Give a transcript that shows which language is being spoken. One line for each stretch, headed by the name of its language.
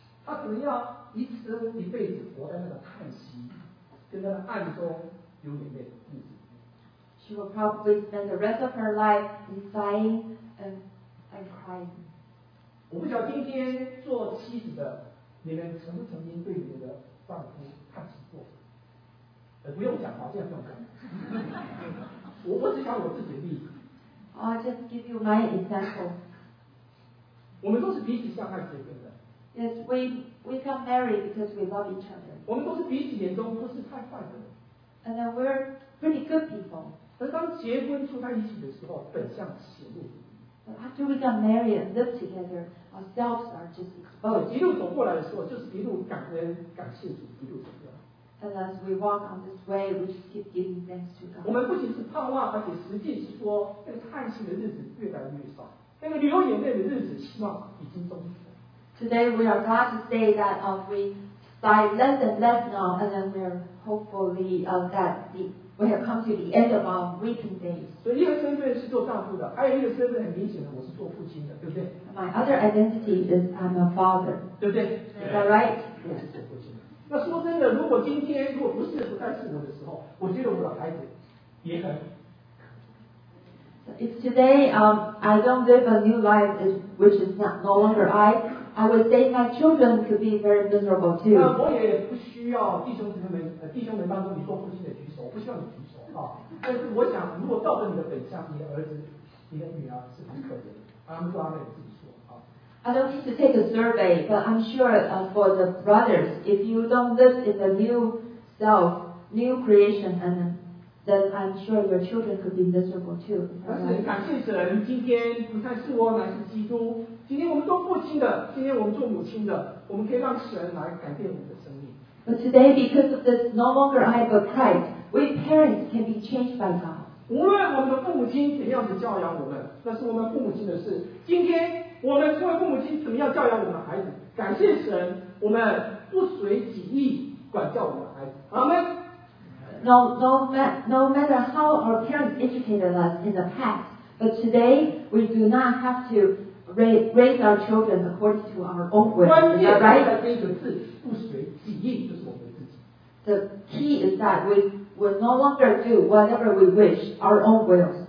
Chinese: 他只要一生一辈子活在那个叹息跟那个暗中流眼泪的日子。
English: She will probably spend the rest of her life in sighing and crying.
Chinese: 我不晓得今天做妻子的，你们曾不曾经对你的丈夫叹息过？不用讲，好像不用讲。我不是讲我自己的例子。
English: I'll just give you my example.
Chinese: 我们都是彼此相爱结婚的。
English: Yes, we got married because we love each other.
Chinese: 我们都是彼此眼中不是太坏的。
English: And then we're pretty good people.
Chinese: 但当结婚住在一起的时候，本相显露。
English: But after we got married and lived together, ourselves are just exposed.
Chinese: 一路走过来的时候，就是一路感恩感谢主，一路走过来。
English: And as we walk on this way, we just keep giving thanks to God.
Chinese: 我们不仅是盼望，而且实际是说，那个叹息的日子越来越少，那个流眼泪的日子，希望已经终止。
English: Today we are glad to say that we sigh less and less now, and then we're hopefully that we have come to the end of our waiting days.
Chinese: 所以一个身份是做丈夫的，还有一个身份很明显的，我是做父亲的，对不对
English: ？My other identity is I'm a father.
Chinese: 对不对
English: ？Is that right?
Chinese: 我是做父亲的。那说真的，如果今天如果不是不再是我的时候，我觉得我的孩子也很。
English: So、if today I don't live a new life, which is not no longer I would say my children could be very miserable too.
Chinese: 那我也不需要弟兄姊妹们，弟兄们当中你做父亲的举手，我不需要你举手啊。但是我想，如果照着你的本相，你的儿子、你的女儿是很可怜。阿门，阿门。
English: I don't need to take a survey, but I'm sure for the brothers, if you don't live in the new self, new creation, and then I'm sure your children could be miserable too.
Chinese: 但是感谢神，今天不再是我，乃是基督。今天我们做父亲的，今天我们做母亲的，我们可以让神来改变我们的生命。
English: But today, because of this, no longer I but Christ, we parents can be changed by God.
Chinese: 无论我们的父母亲怎样子教养我们，那是我们父母亲的事。今天。我们作为父母亲怎么样教养我们的孩子？感谢神，我们不随己意管教我们的孩子。阿门。
English: No matter how our parents educated us in the past, but today we do not have to raise our children according to our own will.
Chinese: 关键在这一个字，不随己意，就是我们自己。
English: The key is that we will no longer do whatever we wish, our own wills.